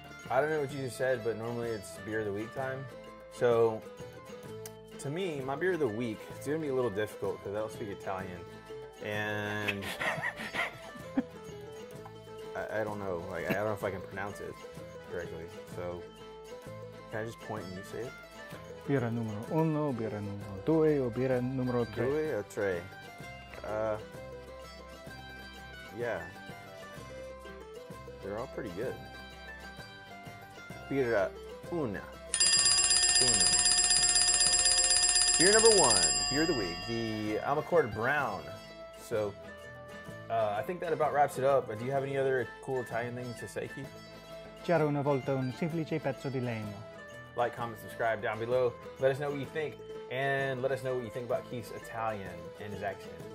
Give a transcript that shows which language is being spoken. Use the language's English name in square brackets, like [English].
[English] I don't know what you just said, but normally it's beer of the week time. So. To me, my beer of the week, it's going to be a little difficult because I don't speak Italian, and I don't know, like, I don't know if I can pronounce it correctly, so can I just point and you say it? [Italian] Birra numero uno, birra numero due, o birra numero tre? Due o tre? [English] Yeah. They're all pretty good. [Italian] Birra una. Una. [English] Beer number one, beer of the week, the Amacord Brown. So, I think that about wraps it up. Do you have any other cool Italian things to say, Keith? [Italian] C'era una volta un semplice pezzo di legno. [English] Like, comment, subscribe down below. Let us know what you think. And let us know what you think about Keith's Italian and his accent.